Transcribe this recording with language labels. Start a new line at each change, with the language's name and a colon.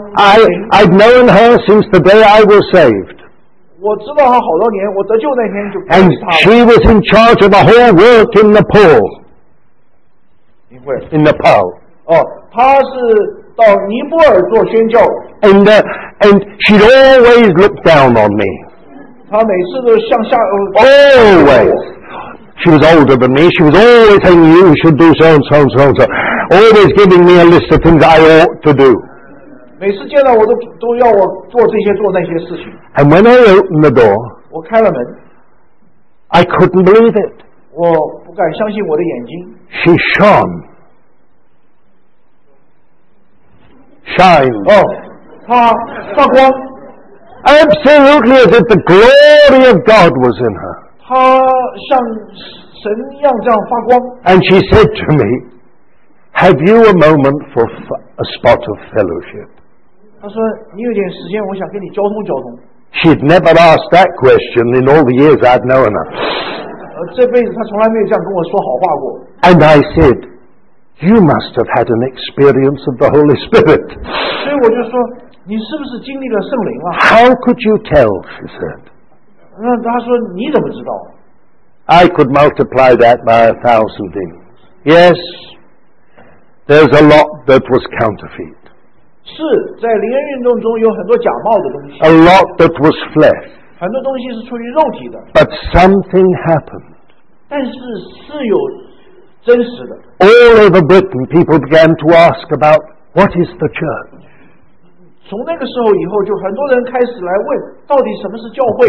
English: I've known her since the day I was saved.
Chinese: 我知道她好多年, 我得救那天就不认识她了。
English: And she was in charge of the whole work in Nepal. In Nepal.
Chinese: 她是到尼泊尔做宣教。
English: And she'd always look down on me.
Chinese: 她每次都向下,
English: always. She was older than me. She was always saying, you should do so and so and so and so. Always giving me a list of things I ought to do.
Chinese: 每次见到我都要我做这些做那些事情。
English: And when I opened the door,
Chinese: 我开了门,
English: I couldn't believe it.
Chinese: 我不敢相信我的眼睛。
English: She shone. Shined.
Chinese: Oh. 她发光,
English: absolutely as if the glory of God was in her.
Chinese: 她像神一样这样发光。
English: And she said to me, have you a moment for a spot of fellowship?
Chinese: 她说,你有点时间,我想跟你交通交通。
English: She'd never asked that question in all the years I'd known her.
Chinese: 这辈子她从来没有这样跟我说好话过。
English: And I said, you must have had an experience of the Holy Spirit.
Chinese: 所以我就说,
English: how could you tell, she said.
Chinese: 那他说,你怎么知道?
English: I could multiply that by 1,000 things. Yes, there's a lot that was counterfeit.
Chinese: 是,在灵恩运动中有很多假冒的东西。
English: A lot that was flesh.
Chinese: 很多东西是出于肉体的。
English: But something happened.
Chinese: 但是是有真实的。
English: All over Britain, people began to ask about, what is the church?
Chinese: 从那个时候以后就很多人开始来问到底什么是教会,